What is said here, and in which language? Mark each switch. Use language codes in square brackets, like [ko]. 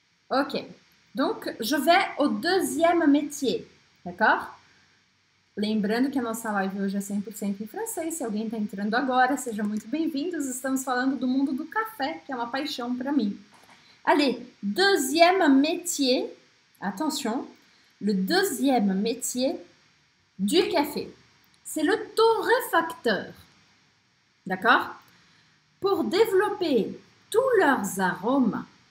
[fr] Ok, donc je vais au deuxième métier, d'accord? [pt] Lembrando que a nossa live hoje é 100% em francês. Se alguém está entrando agora, sejam muito bem-vindos. Estamos falando do mundo do café, que é uma paixão para mim. [fr] Allez, deuxième métier. Attention, le deuxième métier du café. C'est le torréfacteur. D'accord? Pour développer tous leurs arômes.